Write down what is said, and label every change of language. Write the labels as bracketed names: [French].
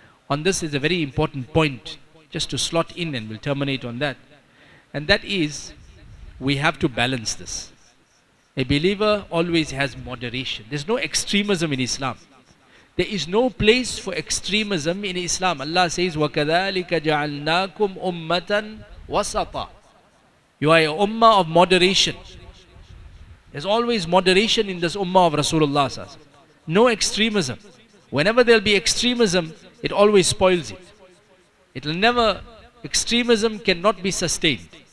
[English] On this is a very important point, just to slot in, and we'll terminate on that. And that is, we have to balance this. A believer always has moderation. There's no extremism in Islam. There is no place for extremism in Islam. [Arabic] Allah says, وَكَذَلِكَ جَعَلْنَاكُمْ أُمَّةً وَسَطًا. [English] You are a ummah of moderation. There's always moderation in this ummah of Rasulullah says. No extremism. Whenever there'll be extremism, it always spoils it. It'll never, extremism cannot be sustained.